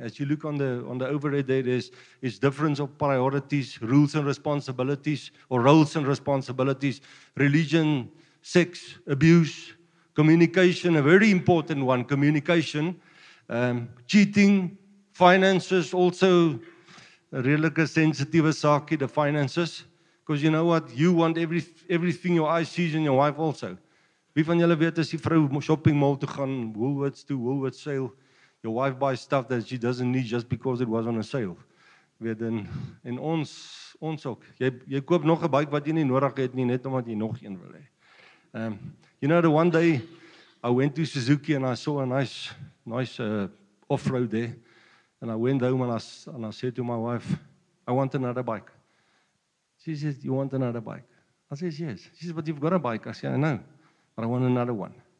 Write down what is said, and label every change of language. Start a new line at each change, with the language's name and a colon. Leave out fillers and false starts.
English: As you look on the overhead there, there's difference of priorities, rules and responsibilities, or roles and responsibilities, religion, sex, abuse, communication, a very important one, communication, cheating, finances, also a really sensitive saki, the finances, because you know what, you want everything your eye sees in your wife also.
Afrikaans: Wie van julle weet as die vrou shopping mall toe gaan, Woolworths to Woolworths sale,
English: your wife buys stuff that she doesn't need just because it was on a sale.
Afrikaans: Weet dan, en ons ook, jy koop nog 'n bike wat jy nie nodig het nie, net omdat jy nog een wil hê.
English: You know, the one day I went to Suzuki and I saw a nice off-road there. And I went home and I said to my wife, "I want another bike." She says, "You want another bike?" I says, "Yes." She says, "But you've got a bike." I say, "I know, but I want another one."